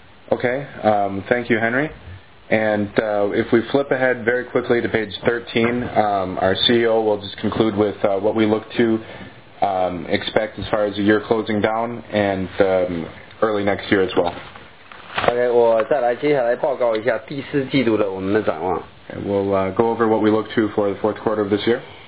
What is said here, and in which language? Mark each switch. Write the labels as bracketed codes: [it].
[en] Okay, thank you, Henry. And if we flip ahead very quickly to page 13, our CEO will just conclude with what we look to expect as far as the year closing down and early next year as well. [zh] Okay, 我再来接下来报告一下第四季度的我们的展望。 [en] And we'll go over what we look to for the fourth quarter of this year.